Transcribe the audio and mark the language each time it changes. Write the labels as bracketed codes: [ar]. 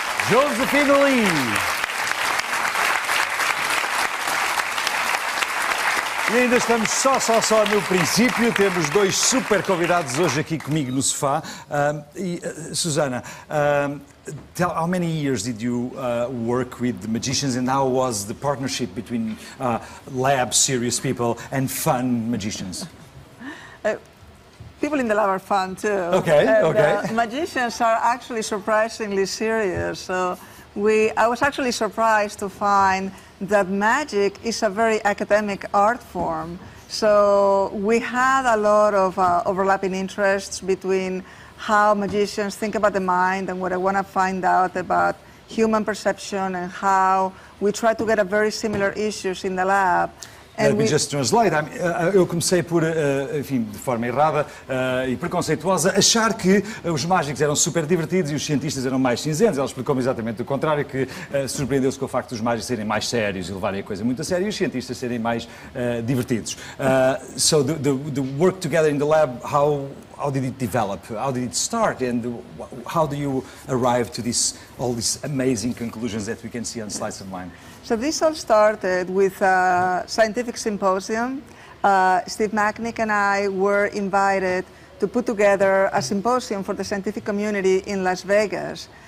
[pt] Josephine Lee! E ainda estamos só no princípio. Temos dois super convidados hoje aqui comigo no sofá. [en] Susana, how many years did you work with the magicians, and how was the partnership between lab serious people and fun magicians? People in the lab are fun too. Okay, okay. Magicians are actually surprisingly serious. So I was actually surprised to find that magic is a very academic art form. So we had a lot of overlapping interests between how magicians think about the mind and what I want to find out about human perception, and how we try to get at very similar issues in the lab. Let me just translate. [pt] Eu comecei por, enfim, de forma errada e preconceituosa, achar que os mágicos eram super divertidos e os cientistas eram mais cinzentos. Ela explicou-me exatamente o contrário, que surpreendeu-se com o facto dos mágicos serem mais sérios e levarem a coisa muito a sério, e os cientistas serem mais divertidos. [en] So the work together in the lab, how did it develop? How did it start? And how do you arrive to this all these amazing conclusions that we can see on slides of mine? So this all started with a scientific symposium. Steve Macnick and I were invited to put together a symposium for the scientific community in Las Vegas.